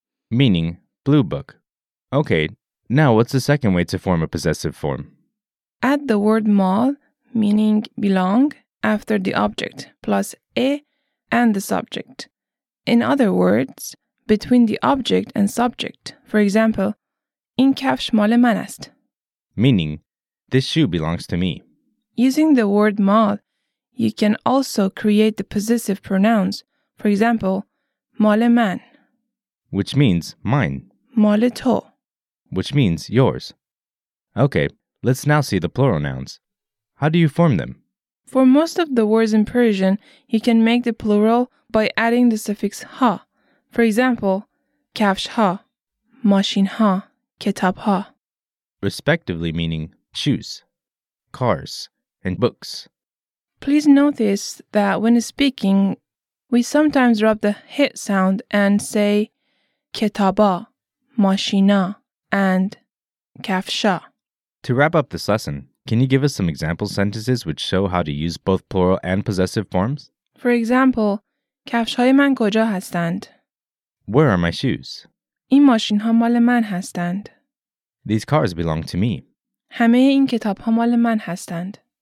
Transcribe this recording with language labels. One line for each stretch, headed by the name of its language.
English: Meaning, blue book. Okay, now what's the second way to form a possessive form? Add the word مال, meaning belong, after the object, plus e and the subject. In other words, between the object and subject. For example,
Persian: این کفش مال من است.
English: Meaning, this shoe belongs to me. Using the word مال, you can also create the possessive pronouns. For example, مال من. Which means mine. مال تو. Which means yours. Okay, let's now see the plural nouns. How do you form them? For most of the words in Persian, you can make the plural by adding the suffix ها. For example, کفش ها, ماشین ها, کتاب ها. Respectively meaning shoes, cars, and books. Please notice that when speaking, we sometimes drop the h sound and say کتابا, ماشینا, and کفشا. To wrap up this lesson, can you give us some example sentences which show how to use both plural and possessive forms? For example,
Persian: کفشهای من کجا هستند?
English: Where are my shoes?
Persian: این ماشینها مال من هستند.
English: These cars belong to me.
Persian: همه این کتاب ها مال من هستند.